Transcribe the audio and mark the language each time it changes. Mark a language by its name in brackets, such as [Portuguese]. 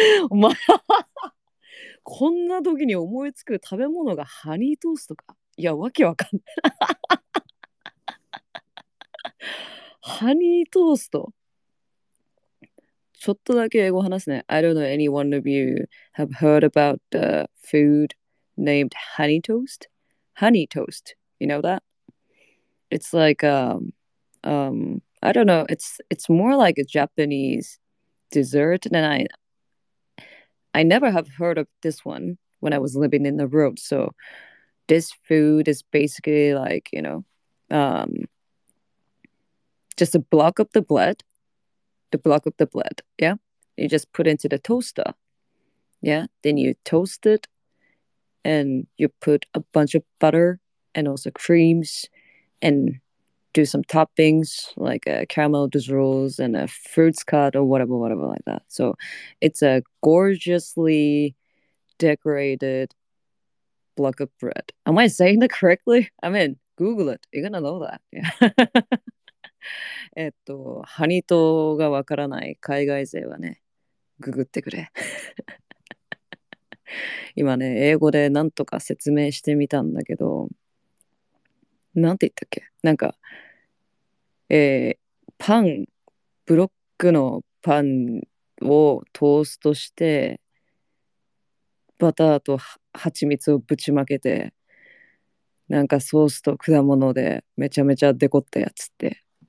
[Japanese] お前は、こんな時に思いつく食べ物がハニートーストか。いや、わけわかんない。ハニートースト。ちょっとだけ英語話すね。 [English] I don't know any one of you have heard about the food named honey toast? Honey toast. You know that? It's like, I don't know. It's more like a Japanese dessert. And I never have heard of this one when I was living in the road. So this food is basically like, you know, just a block of the bread. The block of the bread. Yeah. You just put into the toaster. Yeah. Then you toast it. And you put a bunch of butter and also creams and do some toppings like caramel drizzles and a fruits cut or whatever, whatever like that. So it's a gorgeously decorated block of bread. Am I saying that correctly? I mean, Google it. You're gonna know that. Yeah. [Japanese] ハニトーがわからない海外勢はね、ググってくれ。今ね、英語でなんとか説明してみたんだけど、なんて言ったっけ？なんか、パン、ブロックのパンをトーストして、バターと蜂蜜をぶちまけて、なんかソースと果物でめちゃめちゃデコったやつって。